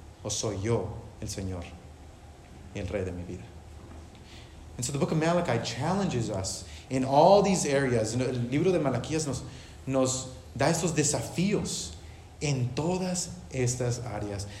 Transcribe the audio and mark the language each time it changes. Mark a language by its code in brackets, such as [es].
[es] ¿O soy yo el Señor y el rey de mi vida? [en] And so the book of Malachi challenges us in all these areas. [es] El libro de Malaquías nos da estos desafíos en todas estas áreas.